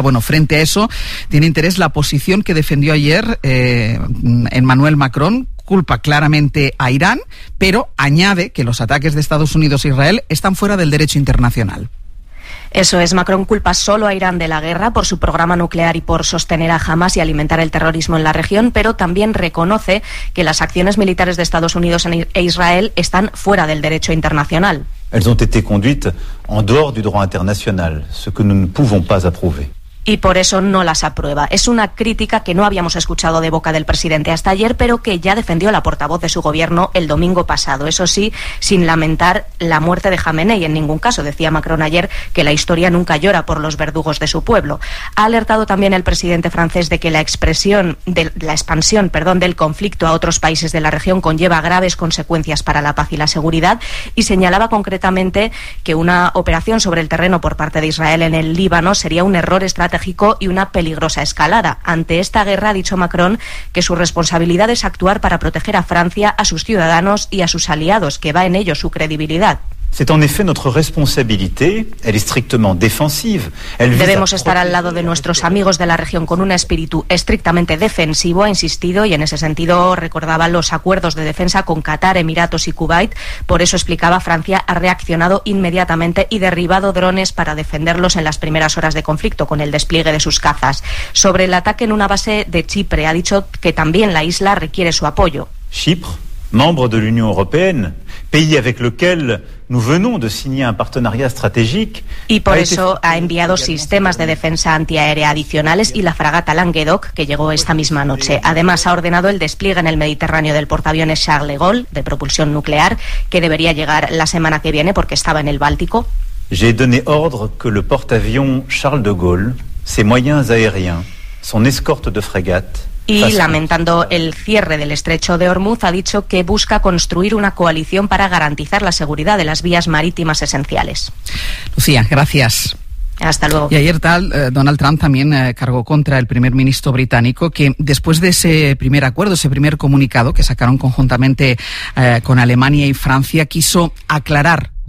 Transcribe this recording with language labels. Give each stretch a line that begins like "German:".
Spanish: Bueno, frente a eso tiene interés la posición que defendió ayer Emmanuel Macron, culpa claramente a Irán, pero añade que los ataques de Estados Unidos e Israel están fuera del derecho internacional. Eso es, Macron culpa solo a Irán de la guerra por su programa nuclear y por sostener a Hamas y alimentar el terrorismo en la región, pero también reconoce que las acciones militares de Estados Unidos e Israel están fuera del derecho internacional.
French: Elles ont été conduites en dehors du droit international, ce que nous ne pouvons pas approuver.
Spanish: y por eso no las aprueba. Es una crítica que no habíamos escuchado de boca del presidente hasta ayer, pero que ya defendió la portavoz de su gobierno el domingo pasado. Eso sí, sin lamentar la muerte de Jamenei en ningún caso. Decía Macron ayer que la historia nunca llora por los verdugos de su pueblo. Ha alertado también el presidente francés de que la expansión del conflicto a otros países de la región conlleva graves consecuencias para la paz y la seguridad, y señalaba concretamente que una operación sobre el terreno por parte de Israel en el Líbano sería un error estratégico y una peligrosa escalada. Ante esta guerra, ha dicho Macron que su responsabilidad es actuar para proteger a Francia, a sus ciudadanos y a sus aliados, que va en ello su credibilidad.
French: C'est en effet notre responsabilité, elle est strictement défensive.
Spanish: Debemos estar al lado de nuestros amigos de la región con un espíritu estrictamente defensivo, ha insistido, y en ese sentido recordaba los acuerdos de defensa con Qatar, Emiratos y Kuwait. Por eso explicaba, Francia ha reaccionado inmediatamente y derribado drones para defenderlos en las primeras horas de conflicto con el despliegue de sus cazas. Sobre el ataque en una base de Chipre, ha dicho que también la isla requiere su apoyo.
French: Chipre, membre de l'Union européenne, pays avec lequel nous venons de signer un partenariat stratégique.
Spanish: Y por eso ha enviado sistemas de defensa antiaérea adicionales y la fragata Languedoc, que llegó esta misma noche. Además, ha ordenado el despliegue en el Mediterráneo del portaaviones Charles de Gaulle, de propulsión nuclear, que debería llegar la semana que viene porque estaba en el Báltico.
French: J'ai donné ordre que le porte-avions Charles de Gaulle, ses moyens aériens, son escorte de frégate.
Spanish: Y lamentando el cierre del estrecho de Hormuz, ha dicho que busca construir una coalición para garantizar la seguridad de las vías marítimas esenciales. Lucía, gracias. Hasta luego. Y ayer Donald Trump también cargó contra el primer ministro británico, que después de ese primer acuerdo, ese primer comunicado que sacaron conjuntamente con Alemania y Francia, quiso aclarar